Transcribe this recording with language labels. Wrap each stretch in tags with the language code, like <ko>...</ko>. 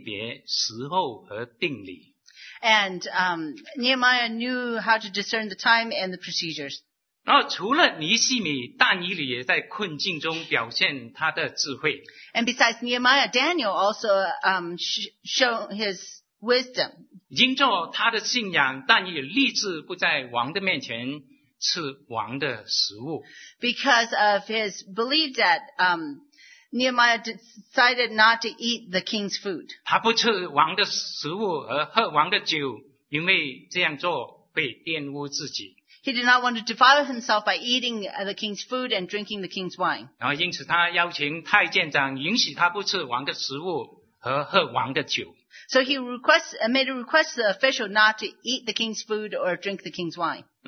<zh>尼西米晓得辨别时候和定理。</zh> <en>And Nehemiah knew how to discern the time and the procedures.</en> <zh>然后除了尼西米，但以理也在困境中表现他的智慧。</zh> <en>And besides Nehemiah, Daniel also showed his wisdom.</en> <zh>因着他的信仰，但以理立志不在王的面前吃王的食物。</zh> <en>Because of his belief that Nehemiah decided not to eat the king's food.</en> <zh>他不吃王的食物而喝王的酒，因为这样做会玷污自己。</zh> <en>He did not want to defile himself by eating the king's food and drinking the king's wine.</en> <zh>然后因此他邀请太监长允许他不吃王的食物和喝王的酒。</zh> <en>So he made a request to the official not to eat the king's food or drink the king's wine.</en>